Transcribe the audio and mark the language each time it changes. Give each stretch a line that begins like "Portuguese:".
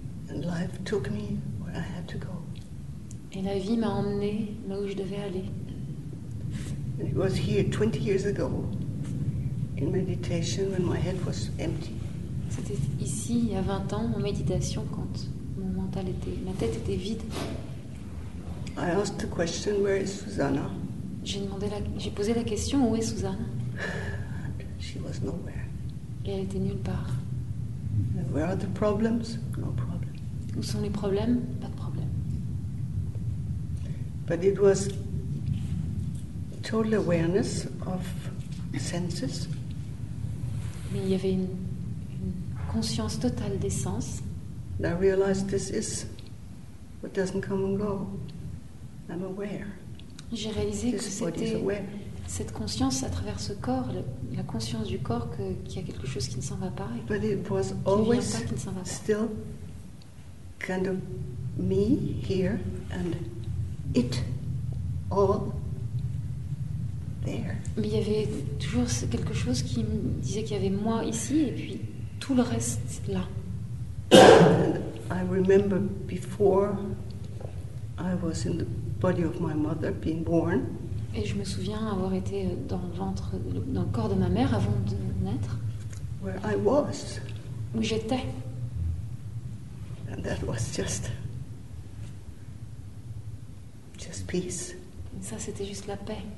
English: And life took me where I had to go.
French: Et la vie m'a emmené là où je devais aller.
English: And it was here 20 years ago in meditation when my head was empty.
French: C'était ici il y a 20 ans en méditation quand mon mental était, ma tête était vide.
English: I asked the question, where is Susanna?
French: J'ai posé la question, où est Susanna?
English: She was nowhere.
French: Et elle était nulle part.
English: Where are the problems? No problem.
French: Où sont les problèmes? Pas de problème.
English: But it was total awareness of senses.
French: Mais il y avait une conscience totale des sens.
English: And I realized this is what doesn't come and go. I'm aware.
French: J'ai réalisé que c'était cette conscience à travers ce corps, la conscience du corps, qu'il y a quelque chose qui ne s'en va pas.
English: But it was always still kind of me here and it all there.
French: Mais il y avait toujours quelque chose qui me disait qu'il y avait moi ici et puis tout le reste là.
English: And I remember before I was in the body of my mother being born.
French: Et je me souviens avoir été dans le ventre, dans le corps de ma mère avant de naître.
English: Where I was.
French: Où j'étais.
English: And that was just peace.
French: Et ça, c'était juste la paix.